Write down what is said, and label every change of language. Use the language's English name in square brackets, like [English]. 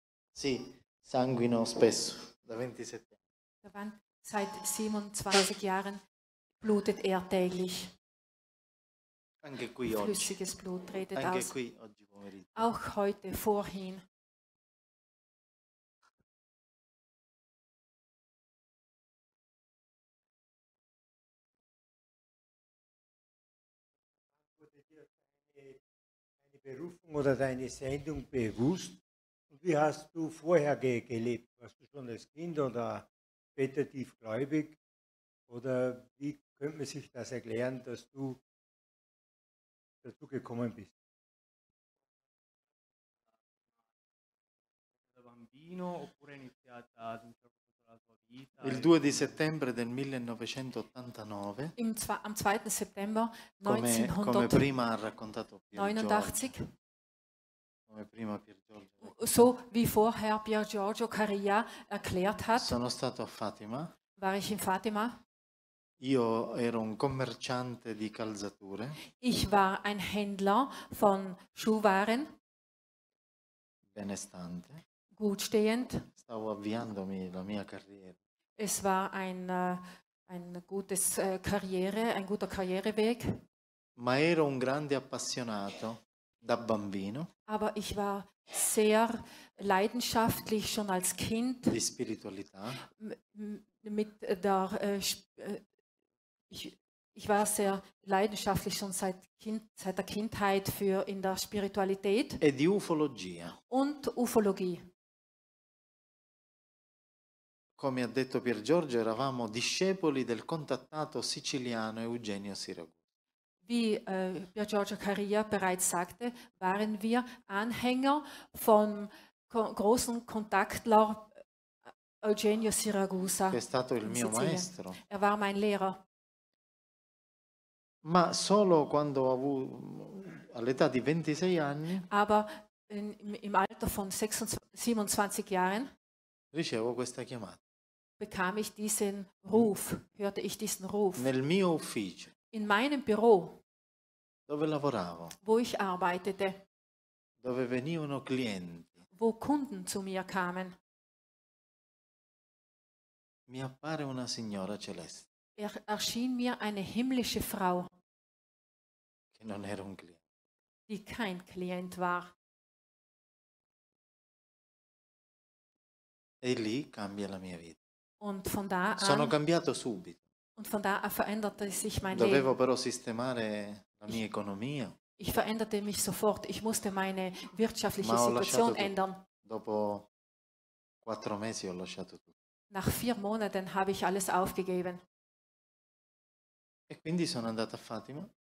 [Italian] Sì, sanguino spesso, da 27 anni. [German] Davanti, seit 27 Jahren blutet täglich. [Italian] Anche qui oggi. [German] Flüssiges Blut tretet aus. [Italian] Anche qui oggi pomeriggio. [German] Auch heute, vorhin. [Italian] Potete dire [German] deine Berufung oder deine Sendung bewusst? Wie hast du vorher gelebt? Warst du schon als Kind oder später tiefgläubig? Oder wie könnte man sich das erklären, dass du dazu gekommen bist? [Italian] Il 2 di settembre del 1989. [German] Am 2. September 1989. [Italian] Come prima ha raccontato Giorgio. Come prima Pier Giorgio. [German] So wie vorher Pier Giorgio Caria erklärt hat. [Italian] Sono stato a Fatima. [German] War ich in Fatima. [Italian] Io ero un commerciante di calzature. [German] Ich war ein Händler von Schuhwaren. [Italian] Benestante. [German] Gutstehend. [Italian] Stavo avviandomi la mia carriera. [German] Es war ein guter Karriereweg. [Italian] Ma ero un grande appassionato. Da bambino. [German] Aber ich war sehr leidenschaftlich schon als Kind. [Italian] Di spiritualità. [German] Mit der, Ich war sehr leidenschaftlich schon seit der Kindheit für in der Spiritualität [Italian] e di ufologia. [German] Und Ufologie. [Italian] Come ha detto Pier Giorgio, eravamo discepoli del contattato siciliano Eugenio Siragusa. [German] Wie Pier Giorgio Caria bereits sagte, waren wir Anhänger vom großen Kontaktler Eugenio Siragusa. [Italian] Che è stato il mio maestro. [German] Er war mein Lehrer. [Italian] Ma solo quando ho avuto all'età di 26 anni. [German] Aber im Alter von 27 Jahren. [Italian] Ricevo questa chiamata. [German] Bekam ich diesen Ruf, hörte ich diesen Ruf. [Italian] Nel mio ufficio. [German] In meinem Büro. [Italian] Dove lavoravo. [German] Wo ich arbeitete. [Italian] Dove venivano clienti. [German] Wo Kunden zu mir kamen. [Italian] Mi appare una signora celeste. [German] Erschien mir eine himmlische Frau. [Italian] Che non era un cliente. [German] Die kein Klient war. [Italian] E lì cambia la mia vita. [German] Und von da an, [Italian] sono cambiato subito. [German] Und von da an veränderte sich mein [Italian] Dovevo [German] Leben. [Italian] Però sistemare la mia economia. [German] Ich veränderte mich sofort. Ich musste meine wirtschaftliche Situation ändern. [Italian] Dopo quattro mesi ho lasciato tutto. [German] Nach vier Monaten habe ich alles aufgegeben. [Italian] E quindi sono andato a Fatima.